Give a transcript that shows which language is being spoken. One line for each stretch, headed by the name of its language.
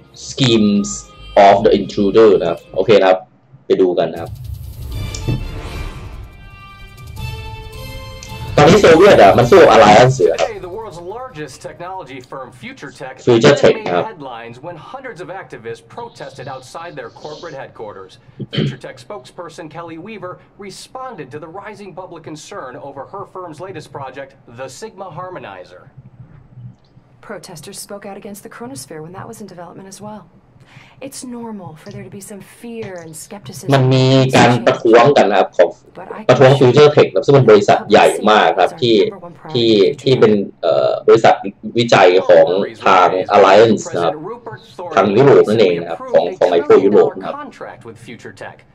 English: Schemes of the Intruder
Thai: นะครับโอเคนะครับไปดูกันนะครับตอนนี้โซเวียตอ่ะมันสู้อะไรอันเสือครับ
English: largest technology firm Future Tech made headlines when hundreds of activists protested outside their corporate headquarters. Future Tech spokesperson Kelly Weaver responded to the rising public concern over her firm's latest project, the Sigma Harmonizer. Protesters spoke out against the Chronosphere when that was in development as well. It's normal for there to be some fear and skepticism.
Thai: มันมีการประท้วงกันนะครับของประท้วง Future Tech นะซึ่งเป็นบริษัทใหญ่มากครับที่เป็นบริษัทวิจัยของทาง Alliance นะครับทางยุโรปนั่นเองนะครับของไอ้พวกยุโรปนะครับ with Future Tech.